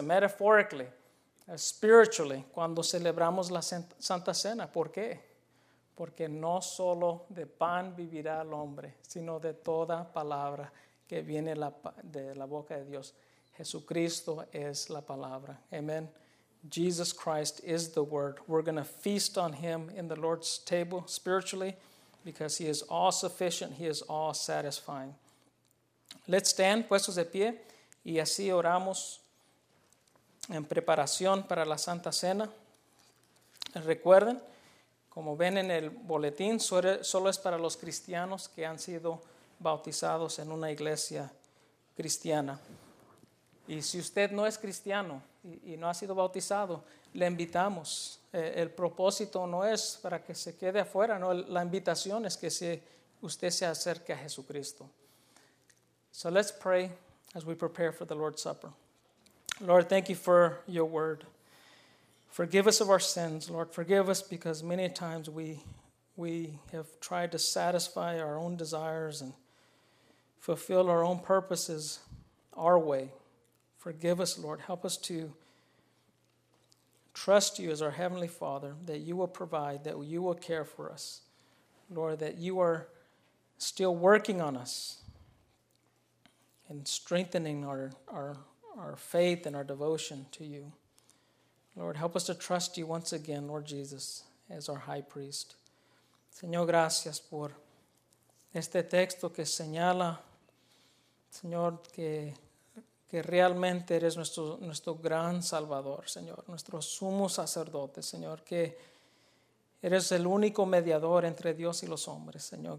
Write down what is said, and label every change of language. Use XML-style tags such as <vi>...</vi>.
<en>Metaphorically, spiritually,</en> <es>cuando celebramos la Santa Cena. ¿Por qué? Porque no solo de pan vivirá el hombre, sino de toda palabra que viene de la boca de Dios. Jesucristo es la palabra. Amen.</es> <en>Jesus Christ is the word. We're going to feast on him in the Lord's table spiritually because he is all sufficient. He is all satisfying. Let's stand,</en> <es>puestos de pie, y así oramos en preparación para la Santa Cena. Recuerden, como ven en el boletín, solo es para los cristianos que han sido bautizados en una iglesia cristiana. Y si usted no es cristiano y no ha sido bautizado, le invitamos. El propósito no es para que se quede afuera, no. La invitación es que usted se acerque a Jesucristo.</es> <en>So let's pray as we prepare for the Lord's Supper. Lord, thank you for your word. Forgive us of our sins, Lord. Forgive us because many times we have tried to satisfy our own desires and fulfill our own purposes our way. Forgive us, Lord. Help us to trust you as our Heavenly Father, that you will provide, that you will care for us. Lord, that you are still working on us and strengthening our faith and our devotion to you. Lord, help us to trust you once again, Lord Jesus, as our high priest.</en> <es>Señor, gracias por este texto que señala, Señor, que realmente eres nuestro gran salvador, Señor, nuestro sumo sacerdote, Señor, que eres el único mediador entre Dios y los hombres, Señor.</es>